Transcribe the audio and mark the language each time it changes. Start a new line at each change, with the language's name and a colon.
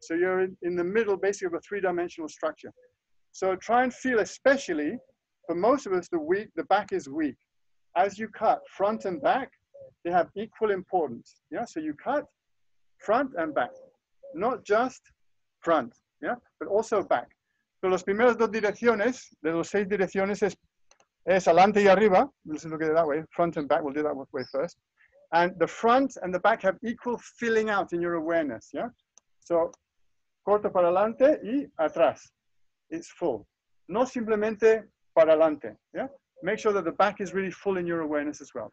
English: So you're in the middle basically of a three-dimensional structure. So try and feel, especially for most of us, the back is weak. As you cut front and back, they have equal importance. Yeah, so you cut front and back, not just front, yeah, but also back.
Spanish: So los primeros dos direcciones, de los seis direcciones, es adelante y arriba.
English: Let's look at it that way, front and back, we'll do that way first. And the front and the back have equal filling out in your awareness, yeah?
Spanish: So, corto para adelante y atrás.
English: It's full.
Spanish: No simplemente para adelante,
English: yeah? Make sure that the back is really full in your awareness as well.